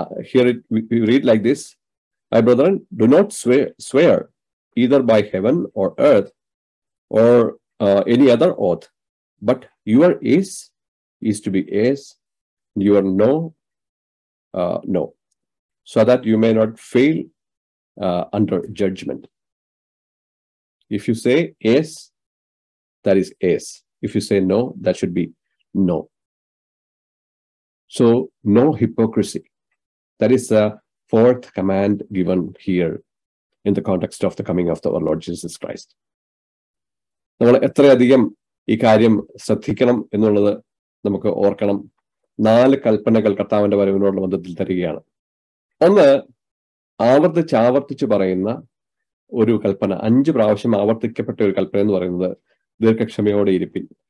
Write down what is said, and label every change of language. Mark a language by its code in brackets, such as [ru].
[en] Here it read like this: my brother, do not swear either by heaven or earth or any other oath, but your is to be yes, your no, no, so that you may not fail under judgment. If you say yes, that is yes. If you say no, that should be no. So no hypocrisy. That is the fourth command given here in the context of the coming of the our Lord Jesus Christ. [ml] നമ്മൾ എത്രയധികം ഈ കാര്യം ശ്രദ്ധിക്കണം എന്നുള്ളത് നമുക്ക് ഓർക്കണം. നാല് കൽപ്പനകൾ കർത്താവിന്റെ വരവിനോടുള്ള ബന്ധത്തിൽ തരികയാണ്. ഒന്ന്, ആവർത്തിച്ച് ആവർത്തിച്ച് പറയുന്ന ഒരു കൽപ്പന, അഞ്ച് പ്രാവശ്യം ആവർത്തിക്കപ്പെട്ട ഒരു കൽപ്പന എന്ന് പറയുന്നത് ദീർഘക്ഷമയോടെ ഇരിപ്പിൻ.